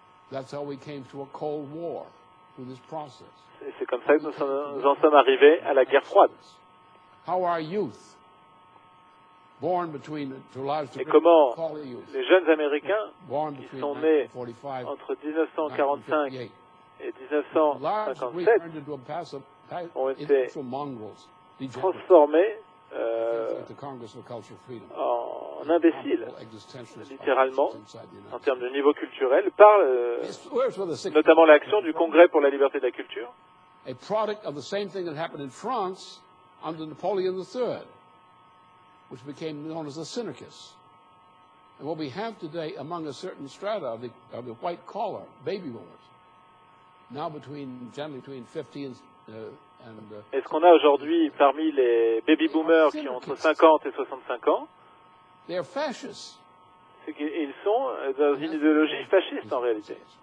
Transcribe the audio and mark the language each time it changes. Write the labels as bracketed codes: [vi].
[en] That's how we came to a Cold War through this process. [fr] Et c'est comme ça que nous en sommes arrivés à la guerre froide. [en] How our youth, born between [fr] et comment les jeunes Américains qui sont nés entre 1945 et 1957 ont été transformés en en imbécile, littéralement, en termes de niveau culturel, par notamment l'action du Congrès pour la liberté de la culture. [en] A product of the same thing that happened in France under Napoleon III, which became known as the Sinicus. And what we have today among a certain strata of the white collar baby boomers, now between generally between 50 and [fr] Est-ce qu'on a aujourd'hui parmi les baby boomers qui ont entre 50 et 65 ans, c'est qu'ils sont dans une idéologie fasciste en réalité.